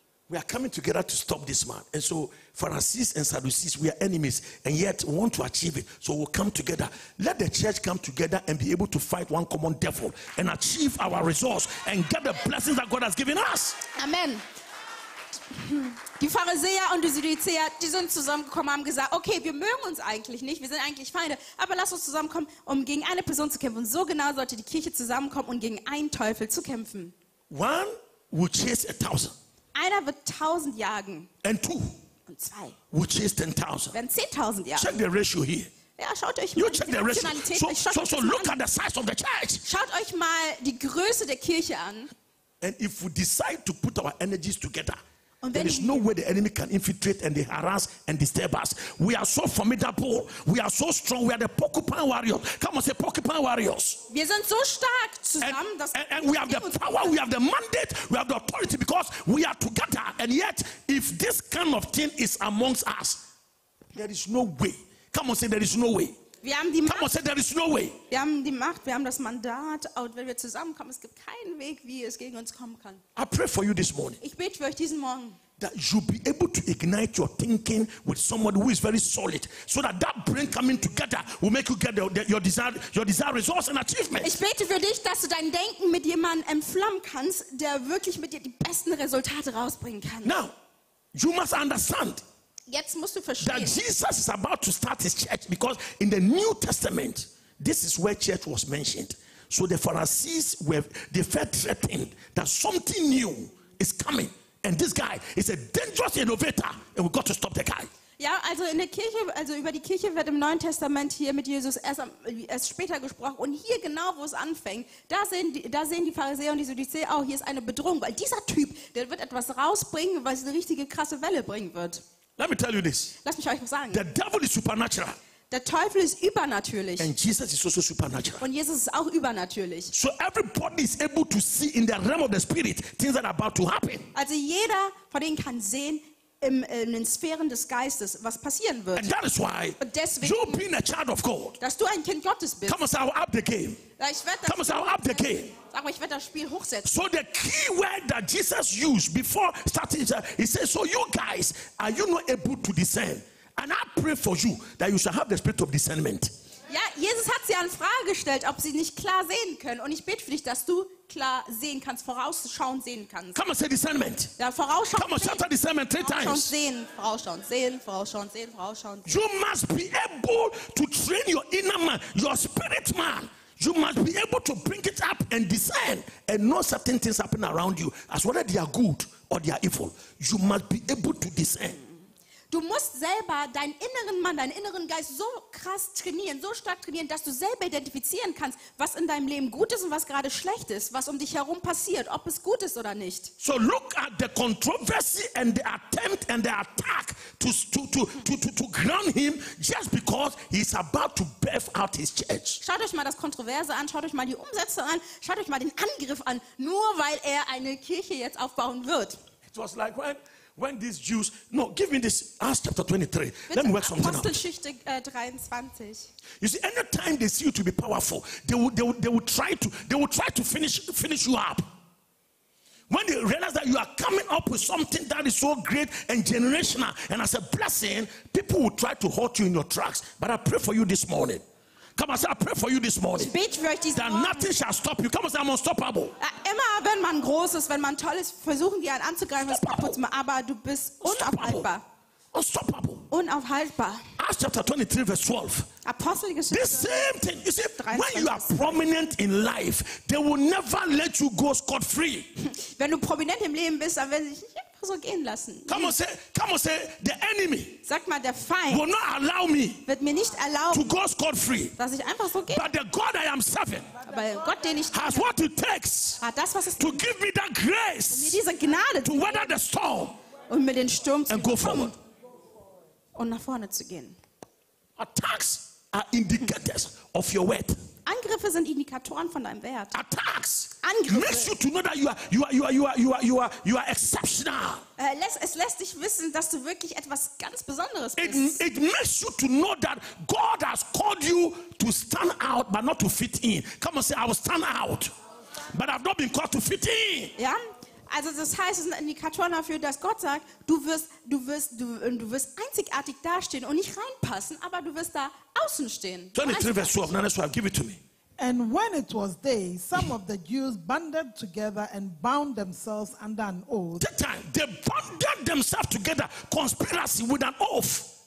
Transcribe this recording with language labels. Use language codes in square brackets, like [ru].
[en] We are coming together to stop this man. And so Pharisees and Sadducees, we are enemies and yet want to achieve it. So we'll come together. Let the church come together and be able to fight one common devil and achieve our resource and get the blessings that God has given us. Amen. [de] Die Pharisäer und die Sadduzäer, die sind zusammengekommen, haben gesagt, okay, wir mögen uns eigentlich nicht, wir sind eigentlich Feinde, aber lass uns zusammenkommen, um gegen eine Person zu kämpfen. Und so genau sollte die Kirche zusammenkommen und gegen einen Teufel zu kämpfen. [en] One will chase a thousand. [de] Einer wird 1000 jagen. [en] And two. [de] Und zwei. [en] Will chase 10,000. [de] Werden 10,000 jagen. [en] Check the ratio here. [de] Ja, schaut euch [en] you [de] mal [en] check the ratio. So look at the size of the church. [de] Schaut euch mal die Größe der Kirche an. [en] And if we decide to put our energies together. There is no way the enemy can infiltrate and they harass and disturb us. We are so formidable. We are so strong. We are the porcupine warriors. Come on, say porcupine warriors. [de] Wir sind so stark zusammen. [en] And we have the power. We have the mandate. We have the authority because we are together. And yet, if this kind of thing is amongst us, there is no way. Come on, say there is no way. [de] Wir haben die Macht. [en] Come on, say there is no way. [de] Wir haben die Macht. Wir haben das Mandat. Und wenn wir zusammenkommen, es gibt keinen Weg, wie es gegen uns kommen kann. [en] I pray for you this morning. [de] Ich bete für euch diesen Morgen. [en] That you'll be able to ignite your thinking with someone who is very solid, so that that brain coming together will make you get your desired results and achievement. [de] Ich bete für dich, dass du dein Denken mit jemandem entflammen kannst, der wirklich mit dir die besten Resultate rausbringen kann. [en] Now, you must understand. [de] Jetzt musst du verstehen. [en] That Jesus is about to start his church because in the New Testament, this is where church was mentioned. So the Pharisees felt threatened that something new is coming, and this guy is a dangerous innovator, and we've got to stop the guy. [de] Ja, also in der Kirche, also über die Kirche wird im Neuen Testament hier mit Jesus erst später gesprochen. Und hier genau, wo es anfängt, da sehen die Pharisäer und die Sadduzäer auch, hier ist eine Bedrohung, weil dieser Typ, der wird etwas rausbringen, weil es eine richtige krasse Welle bringen wird. [en] Let me tell you this. [de] Lass mich euch was sagen. [en] The devil is supernatural. [de] Der Teufel ist übernatürlich. [en] And Jesus is also supernatural. [de] Und Jesus ist auch übernatürlich. [en] So everybody is able to see in the realm of the spirit things that are about to happen. [de] Also jeder von denen kann sehen in den Sphären des Geistes, was passieren wird. [en] And that is why [de] deswegen, [en] you being a child of God, [de] dass du ein Kind Gottes bist. [en] Come on, say, I'll up the game. Come on, say, I'll up the game. [de] Sag mal, ich werde das Spiel hochsetzen. [en] So the key word that Jesus used before starting, he says, so you guys, are you not able to discern? And I pray for you that you shall have the spirit of discernment. [de] Ja, Jesus hat sie an Frage gestellt, ob sie nicht klar sehen können. Und ich bete für dich, dass du klar sehen kannst, vorausschauen sehen kannst. [en] Come on, say discernment. [de] Ja, vorausschauen. [en] Come on, shout out discernment three times. [de] Vorausschauen, sehen. [en] You must be able to train your inner man, your spirit man. You must be able to bring it up and discern and know certain things happen around you as whether they are good or they are evil. You must be able to discern. [de] Du musst selber deinen inneren Mann, deinen inneren Geist so krass trainieren, so stark trainieren, dass du selber identifizieren kannst, was in deinem Leben gut ist und was gerade schlecht ist, was um dich herum passiert, ob es gut ist oder nicht. [en] So look at the controversy and the attempt and the attack to ground him just because he's about to birth out his church. [de] Schaut euch mal das Kontroverse an, schaut euch mal die Umsätze an, schaut euch mal den Angriff an, nur weil er eine Kirche jetzt aufbauen wird. [en] It was like when these Jews, no, give me this, Acts chapter 23, [de] bitte, [en] let me work something out. [de] Apostelgeschichte 23. [en] You see, any time they see you to be powerful, they will try to finish you up. When they realize that you are coming up with something that is so great and generational, and as a blessing, people will try to halt you in your tracks. But I pray for you this morning. Come on, say, I pray for you this morning. [de] Ich bete für euch diesen [en] that [de] morgen. [en] Nothing shall stop you. Come on, say, I'm unstoppable. [de] Immer wenn man groß ist, wenn man toll ist, versuchen die einen anzugreifen, es kaputt zu machen. Aber du bist unaufhaltbar. [en] Unstoppable. [de] Unaufhaltbar. [en] Acts chapter 23, verse 12. [de] Apostelgeschichte. [en] The same thing. You see, 23. When you are prominent in life, they will never let you go scot-free. [de] Wenn du prominent im Leben bist, dann werden sie dich nicht so gehen lassen. [en] Come on, say, the enemy. [de] Sag mal, der Feind [en] will not allow me [de] wird mir nicht erlauben, [en] to go scot-free. [de] Dass ich einfach so gehe. [en] But the God I am serving has what it takes to give me that grace, [de] mir diese Gnade [en] to weather the storm, [de] und mir den Sturm zu [en] and go forward. [de] Und nach vorne zu gehen. [en] Attacks are indicators of your worth. [de] Angriffe sind Indikatoren von deinem Wert. [en] Attacks [de] Angriffe. [en] Makes you to know that you are exceptional. [de] Es lässt dich wissen, dass du wirklich etwas ganz Besonderes bist. [en] It makes you to know that God has called you to stand out, but not to fit in. Come on, say, I will stand out, but I've not been called to fit in. [de] Ja, Also das heißt, es ist ein Indikator dafür, dass Gott sagt, du wirst einzigartig dastehen und nicht reinpassen, aber du wirst da außen stehen. [en] 23 verse 12, now give it to me. And when it was day, some of the Jews banded together and bound themselves under an oath. That time, they banded themselves together, conspiracy with an oath.